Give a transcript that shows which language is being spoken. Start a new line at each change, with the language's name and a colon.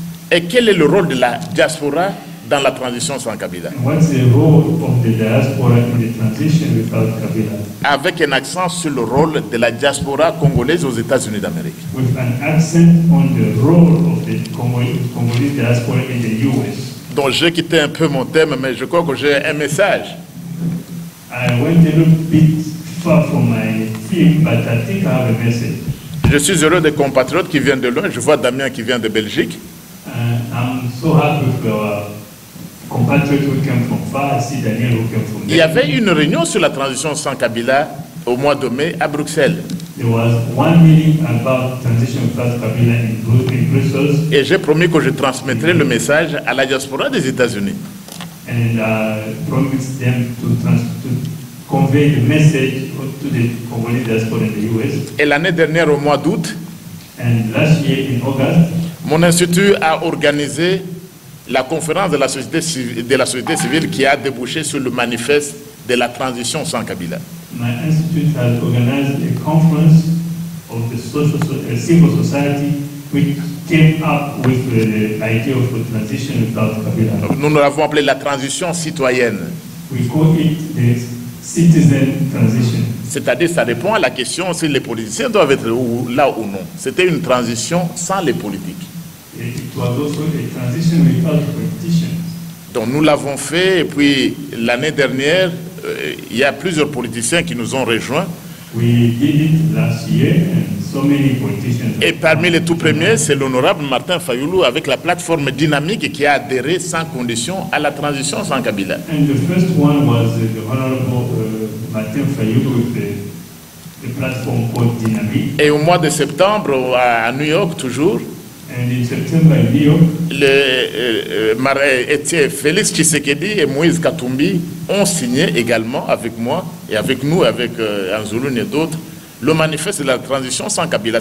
French: Et quel est le rôle de la diaspora dans la transition sans Kabila?
English: What's the role of the diaspora in the transition without Kabila?
French: Avec un accent sur le rôle de la diaspora congolaise aux États-Unis d'Amérique.
English: With an accent on the role of the Congolese diaspora in the US.
French: Donc j'ai quitté un peu mon thème, mais je crois que j'ai un message.
English: I went a little bit far from my theme, but I think I have a message.
French: Je suis heureux des compatriotes qui viennent de loin. Je vois Damien qui vient de Belgique.
English: I'm so happy for
French: Il y avait une réunion sur la transition sans Kabila au mois de mai à Bruxelles.
English: There was one meeting about transition class Kabila in Brussels.
French: Et j'ai promis que je transmettrai le message à la diaspora des États-Unis.
English: And promised them to convey the message to the Congolese diaspora in the US.
French: Et l'année dernière au mois d'août,
English: and last year in August,
French: mon institut a organisé la conférence de la société civile, qui a débouché sur le manifeste de la transition sans Kabila.
English: My institute has organized a conference of the social, civil society, which came up with the idea of a transition without Kabila.
French: Nous l'avons appelé la transition citoyenne.
English: We call it the citizen transition.
French: C'est-à-dire, ça répond à la question si les politiciens doivent être là ou non. C'était une transition sans les politiques.
English: It was also a transition without politicians.
French: Donc nous l'avons fait, et puis l'année dernière, il y a plusieurs politiciens qui nous ont rejoints.
English: We did it last year, and so many politicians.
French: Et parmi les tout premiers, c'est l'honorable Martin Fayulu avec la plateforme dynamique qui a adhéré sans condition à la transition sans Kabila.
English: And the first one was the honorable Martin Fayulu with the platform called Dynamique.
French: Et au mois de septembre, à New York toujours, Félix Tshisekedi et Moïse Katumbi ont signé également avec moi et avec nous, avec Anzulun et d'autres, le manifeste de la transition sans Kabila.